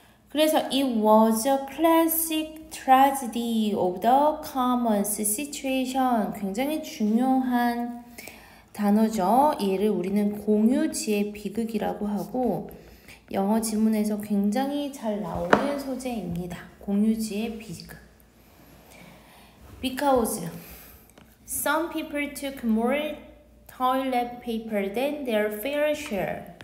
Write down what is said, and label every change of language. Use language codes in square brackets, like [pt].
[en] 그래서 it was a classic tragedy of the commons situation. [ko] 굉장히 중요한 단어죠. 얘를 우리는 공유지의 비극이라고 하고 영어 지문에서 굉장히 잘 나오는 소재입니다. 공유지의 비극. [en] Because some people took more toilet paper than their fair share.